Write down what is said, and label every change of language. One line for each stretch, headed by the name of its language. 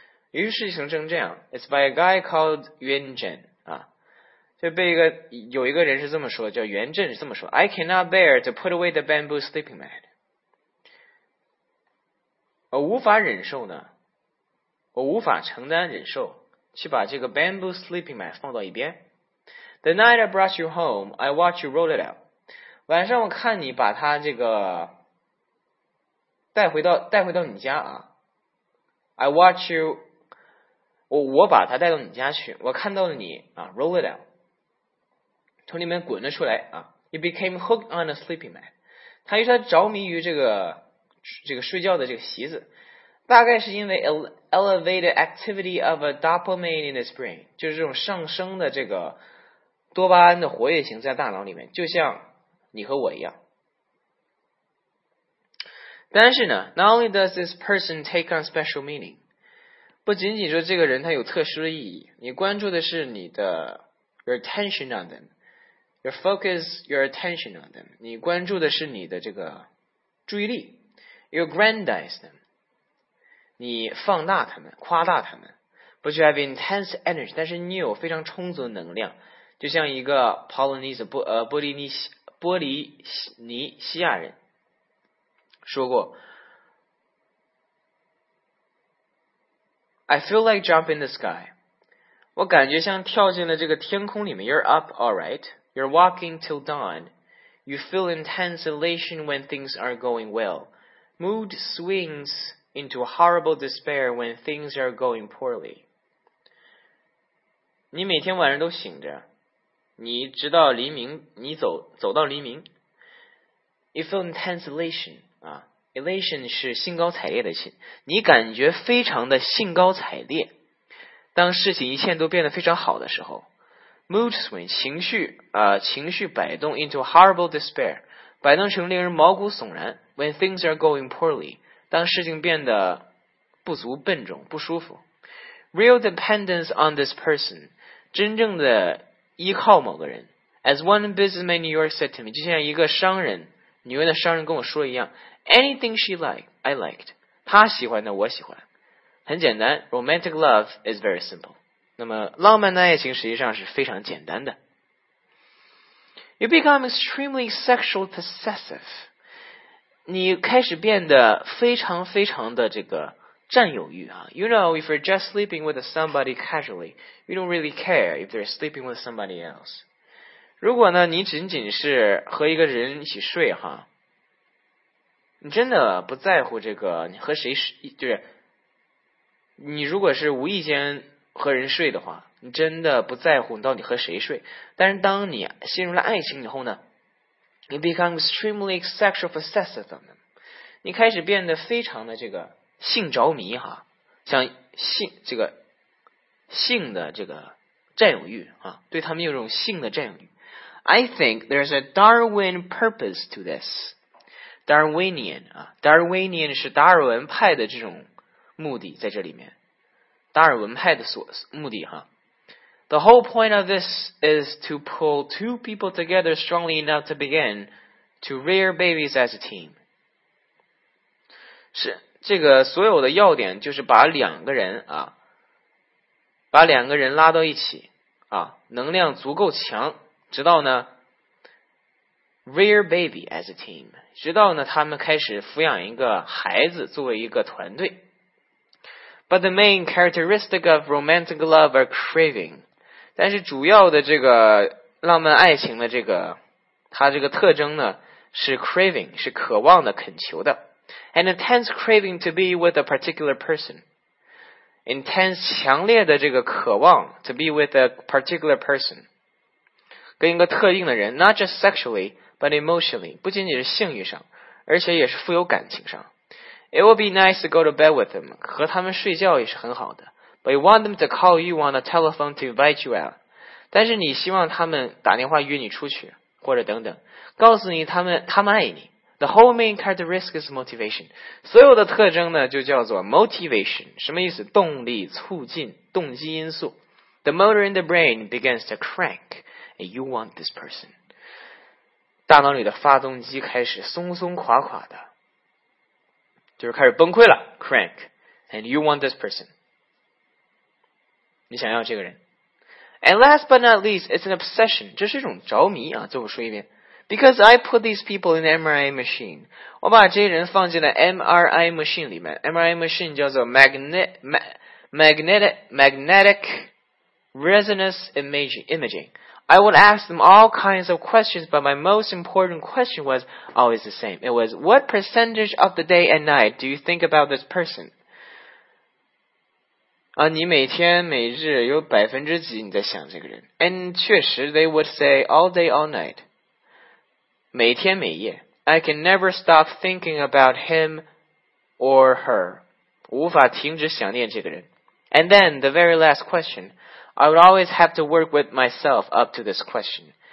Chinese: 于是形成这样
English: ,it's by a guy called Yuan Zhen, 啊。
Chinese: 就被一个有一个人是这么说，叫袁振是这么说 ,
English: I cannot bear to put away the bamboo sleeping mat.
Chinese: 我无法忍受呢，我无法承担忍受。去把这个 bamboo sleeping mat 放到一边。
English: The night I brought you home, I watched you roll it out.
Chinese: 晚上我看你把它这个带回到你家啊。
English: I watched you,
Chinese: 我把它带到你家去，我看到了你啊
English: roll it out,
Chinese: 从里面滚了出来啊。
English: You became hooked on a sleeping mat.
Chinese: 他一直着迷于这个睡觉的这个席子。大概是因为
English: elevated activity of a dopamine in his brain,
Chinese: 就是这种上升的这个多巴胺的活跃性在大脑里面，就像你和我一样。但是呢 ,
English: not only does this person take on special meaning,
Chinese: 不仅仅说这个人他有特殊的意义，你关注的是你的
English: your attention on them,
Chinese: your focus your attention on them, 你关注的是你的这个注意力 ,
English: you grandize them,
Chinese: 你放大他们，夸大他们。
English: But you have intense energy,
Chinese: 但是你有非常充足的能量。就像一个 Polynesia, 波利尼西亚人说过
English: I feel like jumping the sky.
Chinese: 我感觉像跳进了这个天空里面。
English: You're up, alright. You're walking till dawn. You feel intense elation when things are going well. Mood swings... into horrible despair when things are going poorly.
Chinese: 你每天晚上都醒着，你直到黎明，你走到黎明。
English: You feel intense elation.
Chinese: Elation 是兴高采烈的心，你感觉非常的兴高采烈。当事情一切都变得非常好的时候 ，
English: mood swing
Chinese: 情绪摆动
English: into horrible despair，
Chinese: 摆动成令人毛骨悚然。
English: When things are going poorly.
Chinese: 当事情变得不足、笨重、不舒服 ，
English: real dependence on this person，
Chinese: 真正的依靠某个人。
English: As one businessman in New York said to me，
Chinese: 就像一个商人，纽约的商人跟我说一样 ，
English: anything she liked， I liked，
Chinese: 她喜欢的我喜欢。很简单
English: ，romantic love is very simple。
Chinese: 那么浪漫的爱情实际上是非常简单的。
English: You become extremely sexual possessive。
Chinese: 你开始变得非常非常的这个占有欲啊。
English: You know, if you're just sleeping with somebody casually, you don't really care if they're sleeping with somebody else.
Chinese: 如果呢你仅仅是和一个人一起睡哈，你真的不在乎这个你和谁睡，就是你如果是无意间和人睡的话，你真的不在乎你到底和谁睡。但是当你陷入了爱情以后呢，
English: You become extremely sexual obsessed on them，
Chinese: 你开始变得非常的这个性着迷哈，像性这个性的这个占有欲啊，对他们有种性的占有欲。
English: I think there's a Darwin purpose to this.
Chinese: Darwinian 啊 ，Darwinian 是达尔文派的这种目的在这里面，达尔文派的所目的哈。
English: The whole point of this is to pull two people together strongly enough to begin to rear babies as a team.
Chinese: 是这个所有的要点就是把两个人啊，把两个人拉到一起啊，能量足够强。直到呢
English: rear baby as a team，
Chinese: 直到呢他们开始抚养一个孩子作为一个团队。
English: But the main characteristic of romantic love are craving，
Chinese: 但是主要的这个浪漫爱情的这个它这个特征呢是 craving， 是渴望的恳求的。
English: An intense craving to be with a particular person， intense
Chinese: 强烈的这个渴望
English: to be with a particular person，
Chinese: 跟一个特定的人
English: not just sexually but emotionally，
Chinese: 不仅仅是性欲上，而且也是富有感情上。
English: It will be nice to go to bed with them，
Chinese: 和他们睡觉也是很好的。
English: But you want them to call you on the telephone to invite you out，
Chinese: 但是你希望他们打电话约你出去或者等等，告诉你他们爱你。
English: The whole main characteristic is motivation，
Chinese: 所有的特征呢就叫做
English: motivation，
Chinese: 什么意思？动力、促进、动机因素。
English: The motor in the brain begins to crankYou want this person.
Chinese: 大脑里的发动机开始松松垮垮的，就是开始崩溃了 crank.
English: And you want this person.
Chinese: 你想要这个人。
English: And last but not least, it's an obsession.
Chinese: 这是一种着迷啊，这么说一遍。
English: Because I put these people in the MRI machine.
Chinese: 我把这些人放进了 MRI machine 里面。
English: MRI machine 叫做 Magnetic Resonance Imaging. I would ask them all kinds of questions, but my most important question was always the same. It was, what percentage of the day and night do you think about this person?
Chinese: 啊，你每天每日有百分之几你在想这个人。
English: And 确实 they would say all day, all night.
Chinese: 每天每夜。
English: I can never stop thinking about him or her.
Chinese: 无法停止想念这个人。
English: And then the very last question. I would always have to work with myself up to this question.